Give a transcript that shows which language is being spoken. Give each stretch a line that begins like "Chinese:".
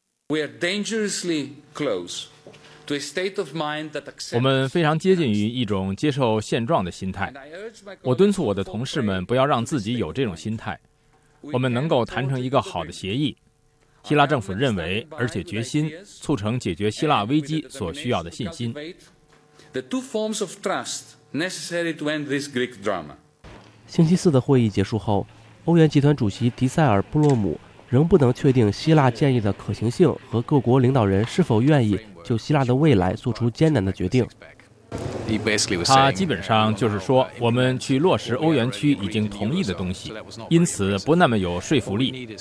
English: We are dangerously close to a state of mind that accepts.
Chinese: 我们非常接近于一种接受现状的心态。我敦促我的同事们不要让自己有这种心态。我们能够谈成一个好的协议，希腊政府认为，而且决心促成解决希腊危机所需要的信心。
English: The two forms of trust necessary to end this Greek drama.
Chinese: 星期四的会议结束后，欧元集团主席迪塞尔·布洛姆仍不能确定希腊建议的可行性和各国领导人是否愿意就希腊的未来做出艰难的决定。他基本上就是说，我们去落实欧元区已经同意的东西，因此不那么有说服力。